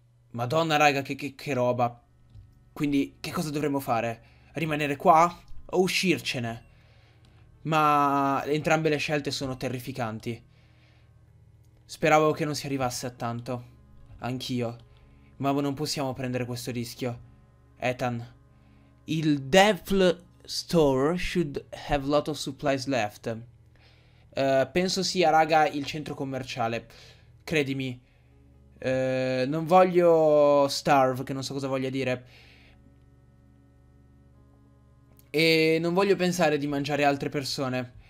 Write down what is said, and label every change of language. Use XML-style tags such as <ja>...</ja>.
<it>Madonna raga, che roba. Quindi, che cosa dovremmo fare? Rimanere qua o uscircene? Ma entrambe le scelte sono terrificanti. Speravo che non si arrivasse a tanto. Anch'io. Ma non possiamo prendere questo rischio.</it> <en>Ethan, il Devil Store should have a lot of supplies left.</en> <it>Penso sia, raga, il centro commerciale. Credimi. Non voglio starve, che non so cosa voglia dire. E non voglio pensare di mangiare altre persone.</it>